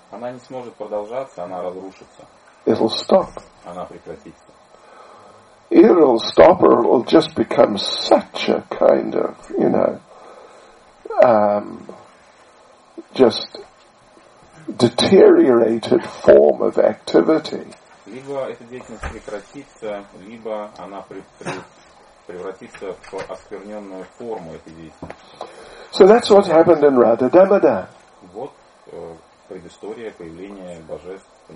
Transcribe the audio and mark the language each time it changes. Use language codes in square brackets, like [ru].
[ru] Она не сможет продолжаться, она разрушится. [en] It'll stop. [ru] Она прекратится. [en] Either it'll stop or it'll just become such a kind of, you know, just deteriorated form of activity. [ru] Либо эта деятельность прекратится, либо она превратится в оскверненную форму этой деятельности. [en] So that's what happened in Radha Damodar. [ru] Вот предыстория появления божеств.